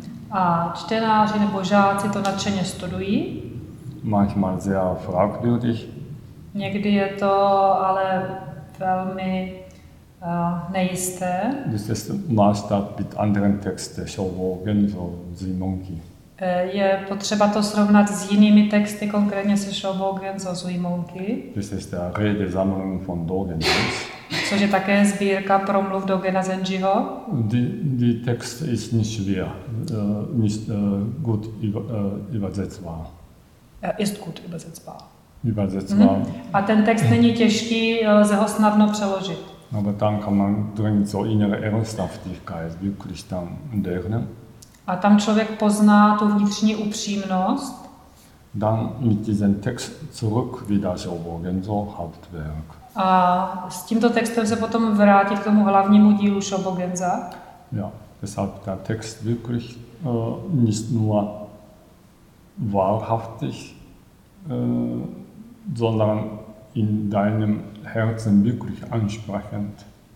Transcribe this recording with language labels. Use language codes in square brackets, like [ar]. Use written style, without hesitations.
[cs] A čtenáři nebo žáci to nadšeně studují. [de] Manchmal sehr fragwürdig. [cs] Někdy je to ale velmi nejisté. [de] Das ist Maßstab mit anderen Texten, Shobogenzo, Zuimonki. [cs] Je potřeba to srovnat s jinými texty, konkrétně se Shobogenzo, Zuimonki. [de] Das ist der Redesammlung von Dogenzens. [cs] Což je také sbírka promluv Dogena Zenjiho. [de] Die Text ist nicht schwer, nicht gut übersetzbar. Er ist gut übersetzbar. Übersetzbar. [cs] A ten text není těžký, lze ho snadno přeložit. [de] Aber dann kann man drin so innere Ernsthaftigkeit wirklich dann lernen. [cs] A tam člověk pozná tu vnitřní upřímnost. [de] Dann mit diesem Text zurück wieder Shobogenzo Hauptwerk. [cs] A s tímto textem se potom vrátí k tomu hlavnímu dílu Shobogenza. [de] Ja, deshalb der Text wirklich nicht nur wahrhaftig, sondern in deinem Herzen wirklich ansprechend.